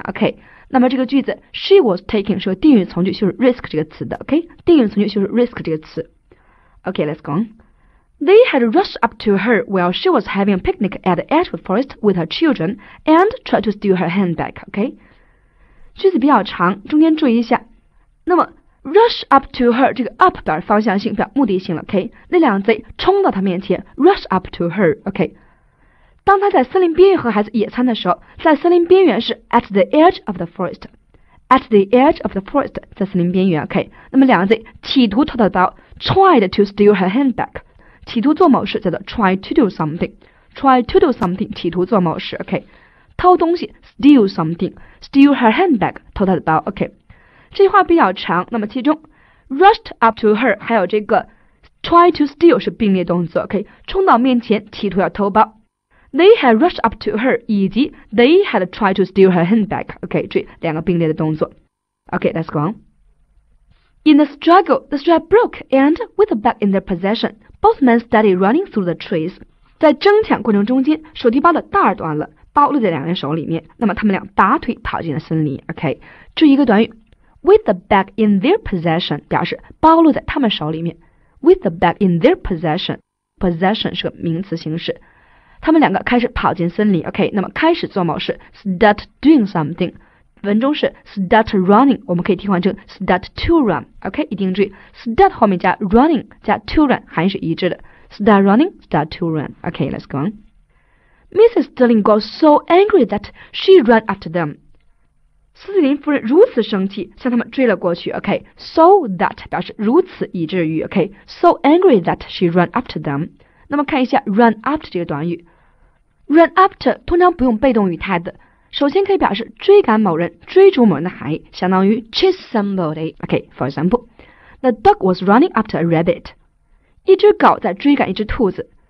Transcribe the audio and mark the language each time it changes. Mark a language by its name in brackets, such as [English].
[Chinese] OK， 那么这个句子 [English] she was taking [Chinese] 是个定语从句，就是 risk 这个词的。OK， 定语从句就是 risk 这个词。 [English] Okay, let's go on. They had rushed up to her while she was having a picnic at the edge of the forest with her children and tried to steal her handbag, okay? [Chinese] 句子比较长，中间注意一下。那么 [English] rush up to her, [Chinese] 这个 up 表方向性，表目的性了， okay? 那两贼冲到她面前， [English] rush up to her, [Chinese] okay? 当她在森林边缘和孩子野餐的时候，在森林边缘是 [English] at the edge of the forest, [Chinese] At the edge of the forest, 在森林边缘 ,OK? 那么两个字企图偷的刀 , [English] tried to steal her handbag. [Chinese] 企图做某事叫做 [English] try to do something. [Chinese] Try to do something, 企图做某事 ,OK? 偷东西 , [English] steal something. Steal her handbag, [Chinese] 偷她的刀 ,OK? 这句话比较长，那么其中 rushed up to her, 还有这个 try to steal 是并列动作 ,OK? 冲到面前企图要偷包。 [English] They had rushed up to her, [Chinese] 以及 [English] they had tried to steal her handbag. [Chinese] OK, 注意两个并列的动作。 [English] OK, let's go on. In the struggle, the strap broke, and with the bag in their possession, both men started running through the trees. [Chinese] 在争抢过程中间，手提包的带儿断了，包落在两人手里面，那么他们俩拔腿跑进了森林。 OK, 注意一个短语 [English] ,with the bag in their possession, [Chinese] 表示包落在他们手里面。 [English] With the bag in their possession, [Chinese] possession 是个名词形式。他们两个开始跑进森林 ,OK, 那么开始做某事 , [English] start doing something, [Chinese] 文中是 start running, 我们可以替换成 start to run,OK,、okay? 一定注意 ,start 后面加 running, 加 to run, 含义是一致的 , [English] start running, start to run, [Chinese] OK,、okay, let's go on. [English] Mrs. Sterling got so angry that she ran after them. [Chinese] 斯蒂林夫人如此生气向他们追了过去 ,OK, so that 表示如此以至于 ,OK, [English] so angry that she ran after them. [Chinese] 那么看一下 [English] run after [Chinese] 这个短语 run after 通常不用被动语态的首先可以表示追赶某人追逐某人的含义相当于 chase somebody [English] OK for example The dog was running after a rabbit [Chinese] 一只狗在追赶一只兔子